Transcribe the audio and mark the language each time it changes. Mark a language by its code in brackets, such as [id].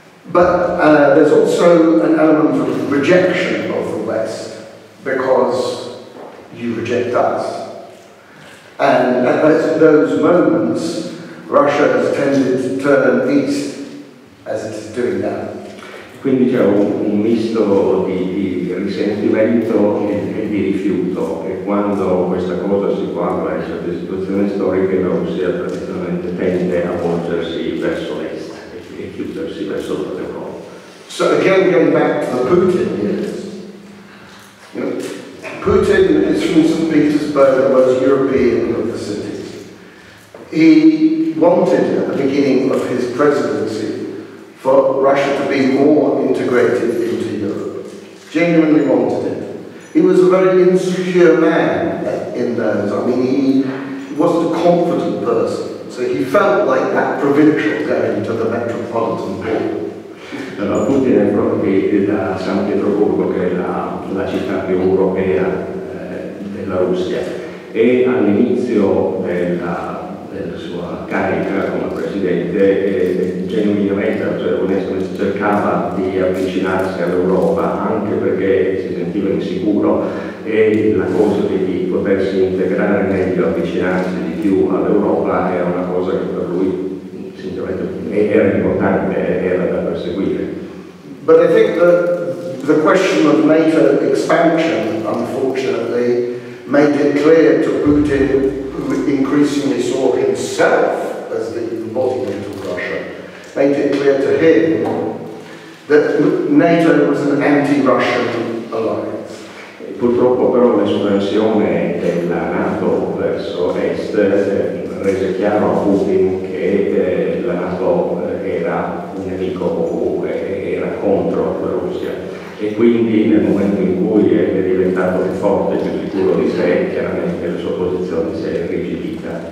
[en] But there's also an element of rejection of the West, because you reject us. And at those moments, Russia has tended to turn east, as it is doing now. [it] Quindi c'è un misto di risentimento e di rifiuto, e quando questa cosa si parla di certe situazioni storiche, la Russia tradizionalmente tende a volgersi verso l'est e chiudersi verso l'Europa. [en] So again, going back to the Putin years, Putin is from St. Petersburg, the most European of the cities. He wanted, at the beginning of his presidency, for Russia to be more integrated into Europe. Genuinely wanted it. He was a very insecure man in those. I mean, he wasn't a confident person. So he felt like that provincial going to the metropolitan board. [it] Putin è proprio da San Pietroburgo, che è la città più europea della Russia, e all'inizio della sua carica come presidente, genuinamente, cioè onestamente, cercava di avvicinarsi all'Europa, anche perché si sentiva insicuro, e la cosa di potersi integrare meglio, avvicinarsi di più all'Europa, era una cosa che per lui era importante, era da perseguire. [en] But I think that the question of NATO expansion, unfortunately, made it clear to Putin, who increasingly saw himself as the embodiment of Russia, made it clear to him that NATO was an anti-Russian alliance. [it] Purtroppo però l'espansione della NATO verso est rese chiaro a Putin che la NATO era un nemico comune, era contro la Russia, e quindi nel momento in cui è diventato più forte, più sicuro di sé, chiaramente la sua posizione si è irrigidita.